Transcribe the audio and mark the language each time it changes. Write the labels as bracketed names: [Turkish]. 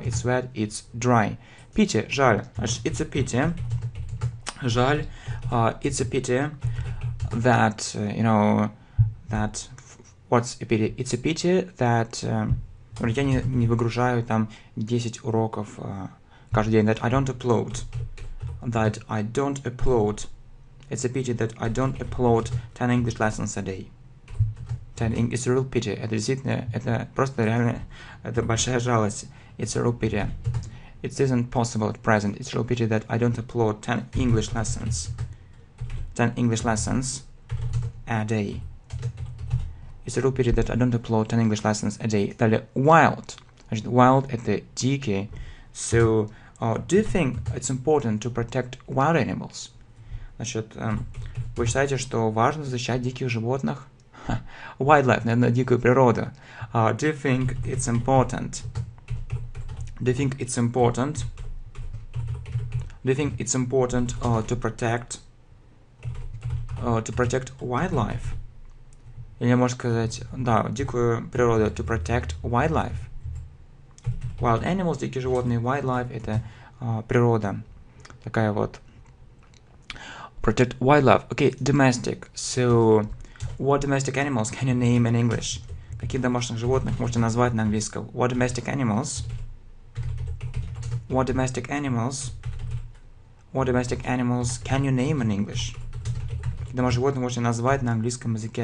[English] It's wet, it's dry. Pity – жаль. It's a pity. Жаль. It's a pity that, you know, that... What's a pity? It's a pity that... [Russian] Я не выгружаю там 10 уроков каждый день. [English] That I don't upload. It's a pity that I don't upload 10 English lessons a day. Tending is a real pity. [Russian] Это действительно, это просто реально, это большая жалость. [English] It's a real pity. It isn't possible at present. It's a real pity that I don't upload 10 English lessons. 10 English lessons a day. It's a real pity that I don't upload 10 English lessons a day. [Russian] Далее, wild. Значит, wild – это дикий. [English] So, do you think it's important to protect wild animals? [Russian] Значит, вы считаете, что важно защищать диких животных? [English] Wildlife, наверное, дикую природу. Do you think it's important? Do you think it's important? Do you think it's important to protect wildlife? [Russian] Или я могу сказать, да, дикую природу, to protect wildlife. Wild animals, дикие животные, wildlife, это природа. Такая вот. Protect wildlife. [English] Okay, domestic. So, what domestic animals can you name in English? [Russian] Какие домашних животных можете назвать на английском? [English] What domestic animals? What domestic animals? What domestic animals can you name in English? [Russian] Какие домашние животные можете назвать на английском языке?